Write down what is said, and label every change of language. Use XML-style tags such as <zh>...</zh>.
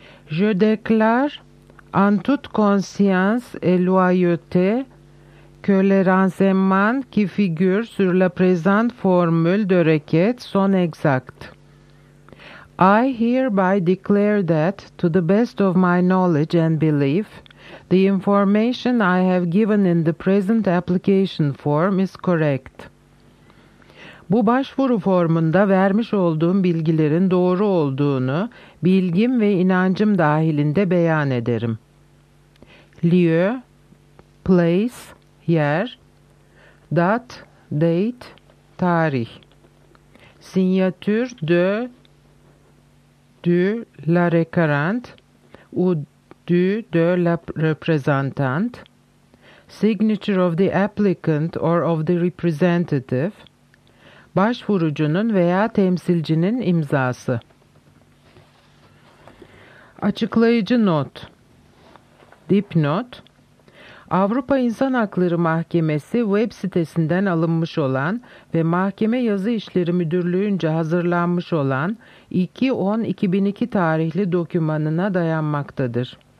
<fr>Je déclare en toute conscience et loyauté que les renseignements qui figurent sur la présente formule de requête sont exacts.</fr> <en>I hereby declare that, to the best of my knowledge and belief, the information I have given in the present application form is correct.</en> <tr>Bu başvuru formunda vermiş olduğum bilgilerin doğru olduğunu, bilgim ve inancım dahilinde beyan ederim.</tr> <fr>Lieu, place, yer, date, date, tarih. Signature de du la requérante ou du de la représentante.</fr> <en>Signature of the applicant or of the representative.</en> <tr>Başvurucunun veya temsilcinin imzası. Açıklayıcı not. Dipnot. Avrupa İnsan Hakları Mahkemesi web sitesinden alınmış olan ve Mahkeme Yazı İşleri Müdürlüğü'nce hazırlanmış olan 2.10.2002 tarihli dokümanına dayanmaktadır.</tr>